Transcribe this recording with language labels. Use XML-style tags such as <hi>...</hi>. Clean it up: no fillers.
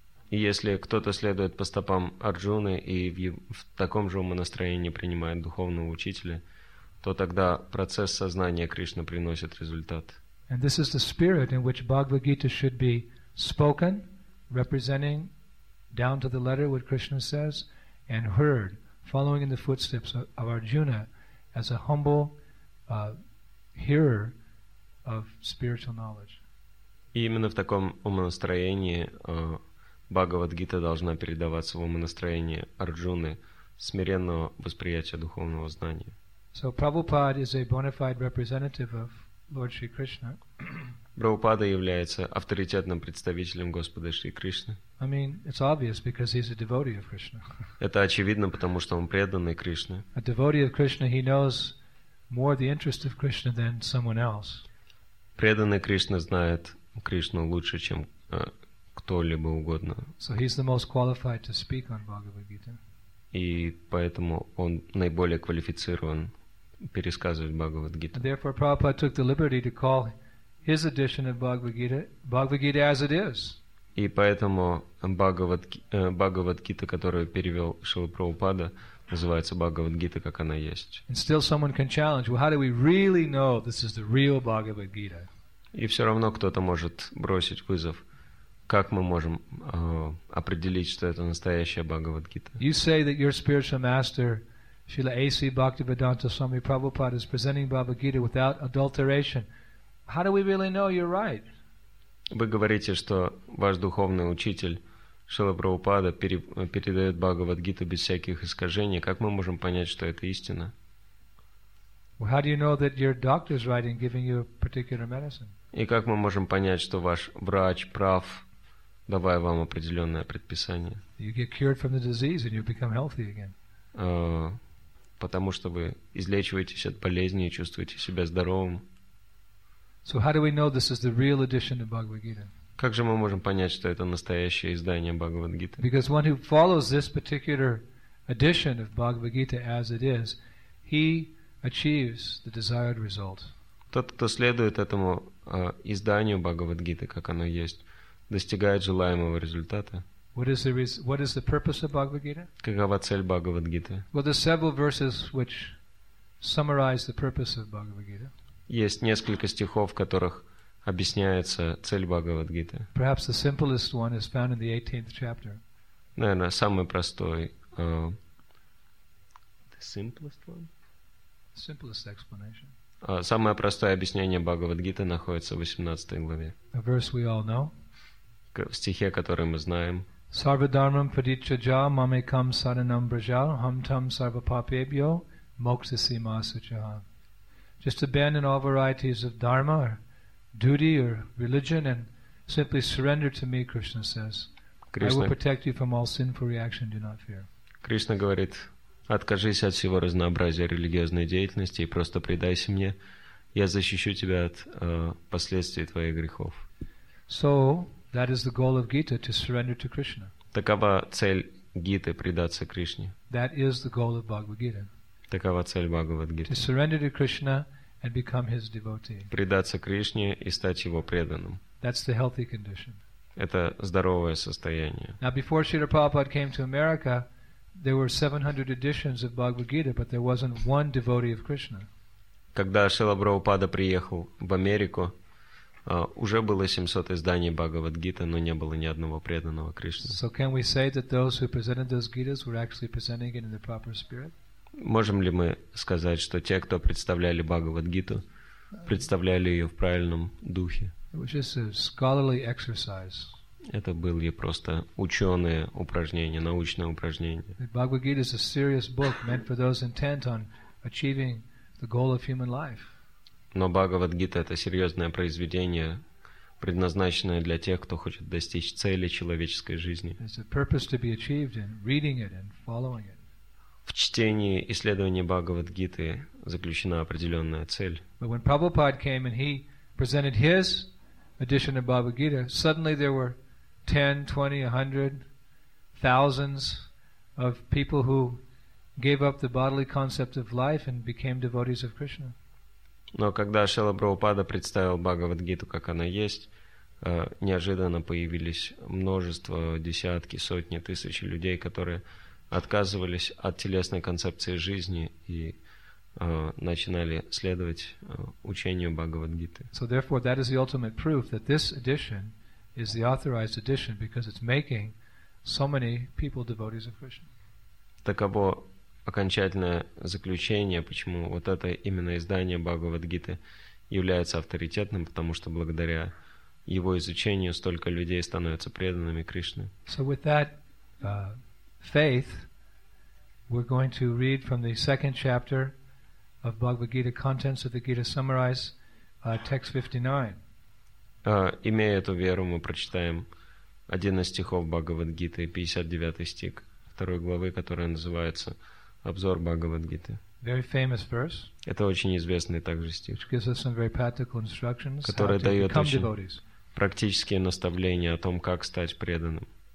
<ru>И если кто-то следует по стопам Арджуны и в таком же умонастроении принимает духовного учителя, то тогда процесс сознания Кришны приносит результат.</ru> <en>And this is the spirit in which Bhagavad Gita should be spoken, representing down to the letter what Krishna says, and heard, following in the footsteps of Arjuna as a humble hearer of spiritual knowledge.</en> <ru>И именно в таком умонастроении Бхагавад-гита должна передаваться в умонастроении Арджуны смиренного восприятия духовного знания.</ru> <en>So Prabhupada is a bona fide representative of Lord Shri Krishna.</en> <ru>Прабхупада является авторитетным представителем Господа Шри Кришны.</ru> <en>I mean, it's obvious because he's a devotee of Krishna.</en> <ru>Это очевидно, потому что он преданный Кришне.</ru> <en>A devotee of Krishna, he knows more the interest of Krishna than someone else.</en> <ru>Преданный Кришна знает Кришну лучше, чем кто-либо угодно.</ru> <en>So he's the most qualified to speak on Bhagavad Gita.</en> <ru>И поэтому он наиболее квалифицирован пересказывать Бхагавад Гиту.</ru> <en>Therefore, Prabhupada took the liberty to call his edition of Bhagavad Gita, Bhagavad Gita as it is.</en> <ru>И поэтому Бхагавад Гита, которую перевел Шрила Прабхупада, называется Бхагавад Гита, как она есть.</ru> <en>And still someone can challenge, well, how do we really know this is the real Bhagavad Gita?</en> <ru>И все равно кто-то может бросить вызов. Как мы можем определить, что это настоящая Бхагавад-гита?</ru> <en>You say that your spiritual master, Srila A.C. Bhaktivedanta Swami Prabhupada, is presenting Bhagavad-gita without adulteration. How do we really know you're right?</en> <ru>Вы говорите, что ваш духовный учитель, Шрила Прабхупада, передает Бхагавад-гита без всяких искажений. Как мы можем понять, что это истина?</ru> <en>Well, how do you know that your doctor is right in giving you a particular medicine?</en> <ru>И как мы можем понять, что ваш врач прав, давая вам определенное предписание?</ru> <en>You get cured from the disease and you become healthy again.</en> <ru>Потому что вы излечиваетесь от болезни и чувствуете себя здоровым.</ru> <en>So how do we know this is the real edition of Bhagavad Gita?</en> <ru>Как же мы можем понять, что это настоящее издание Бхагавад Гиты?</ru> <en>Because one who follows this particular edition of Bhagavad Gita as it is, he achieves the desired result.</en> <ru>Тот, кто следует этому изданию Бхагавад-гиты, как оно есть, достигает желаемого результата.</ru> <en>What is the purpose of Bhagavad-gita?</en> <ru>Какова цель Бхагавад-гиты?</ru> <en>Well, there are several verses which summarize the purpose of Bhagavad-gita.</en> <ru>Есть несколько стихов, в которых объясняется цель Бхагавад-гиты.</ru> <en>Perhaps the simplest one is found in the 18th chapter.</en> <ru>Наверное, самый простой</ru> <en>simplest one? Simplest explanation.</en> <ru>Самое простое объяснение Бхагавад-гиты находится в 18 главе.</ru> <en>A verse we all know.</en> <ru>В стихе, который мы знаем.</ru> <sa>Sarva dharmam padichaja mamekam saranam braja ham tam sarva papyebhyo moksha sima sucha.</sa> <en>Just abandon all varieties of dharma or duty or religion and simply surrender to me, Krishna says. Krishna. I will protect you from all sinful reaction, do not fear.</en> <ru>Krishna говорит: откажись от всего разнообразия религиозной деятельности и просто предайся мне. Я защищу тебя от последствий твоих грехов.</ru> <en>So that is the goal of Gita, to surrender to Krishna.</en> <ru>Такова цель Гиты, предаться Кришне.</ru> <en>That is the goal of Bhagavad Gita.</en> <ru>Такова цель Бхагавад-гиты.</ru> <en>To surrender to Krishna and become his devotee.</en> <ru>Предаться Кришне и стать его преданным.</ru> <en>That's the healthy condition.</en> <ru>Это здоровое состояние.</ru> <en>Now before Srila Prabhupada came to America, there were 700 editions of Bhagavad Gita, but there wasn't one devotee of Krishna.</en> <ru>Когда Шрила Прабхупада приехал в Америку, уже было 700 изданий Бхагавад-гиты, но не было ни одного преданного Кришне.</ru> <en>So can we say that those who presented those Gitas were actually presenting it in the proper spirit?</en> <ru>Можем ли мы сказать, что те, кто представляли Бхагавад-гиту, представляли ее в правильном духе?</ru> <en>It was just a scholarly exercise.</en> <ru>Это были просто ученые упражнения, научные упражнения.</ru> <en>The Bhagavad Gita is a serious book meant for those intent on achieving the goal of human life.</en> <ru>Но Бхагавад-гита — это серьезное произведение, предназначенное для тех, кто хочет достичь цели человеческой жизни.</ru> <en>There's a purpose to be achieved in reading it and following it.</en> <ru>В чтении и исследовании Бхагавад-гиты заключена определенная цель.</ru> <en>But when Prabhupada came and he presented his edition of Bhagavad Gita, suddenly there were 10, 20, 100, thousands of people who gave up the bodily concept of life and became devotees of Krishna.</en> <ru>Но когда Шрила Прабхупада представил Бхагавад-гиту, как она есть, неожиданно появились множество, десятки, сотни, тысячи людей, которые отказывались от телесной концепции жизни и начинали следовать учению Бхагавад-гиты.</ru> <en>So therefore, that is the ultimate proof that this edition is the authorized edition because it's making so many people devotees of Krishna.</en> <ru>Таково окончательное заключение, почему вот это именно издание Бхагавад-гиты является авторитетным, потому что благодаря его изучению столько людей становятся преданными Кришне.</ru> <en>So with that faith, we're going to read from the second chapter of Bhagavad Gita, contents of the Gita summarized, text 59.</en> <ru>Имея эту веру, мы прочитаем один из стихов Бхагавад-гиты, 59 стих второй главы, который называется «Обзор Бхагавад-гиты».</ru> <en>Very famous verse.</en> <ru>Это очень известный также стих,</ru> <en>which gives us some very practical instructions,</en> <ru>который дает очень практические наставления о том, как стать преданным.</ru>